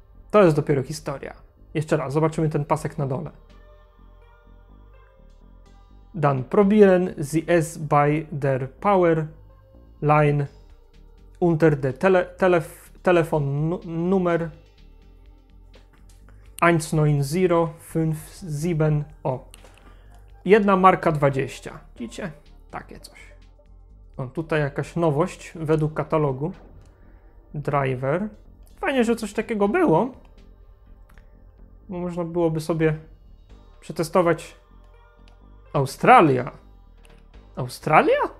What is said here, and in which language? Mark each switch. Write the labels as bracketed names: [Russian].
[Polish] To jest dopiero historia. Jeszcze raz, zobaczymy ten pasek na dole. [German] Dann probieren Sie es bei der Powerline unter der Telefonnummer 190 57. [Polish] O, jedna marka 20. Widzicie? Takie coś. O, tutaj jakaś nowość według katalogu. Driver. Fajnie, że coś takiego było. Bo można byłoby sobie przetestować. Australia. Australia?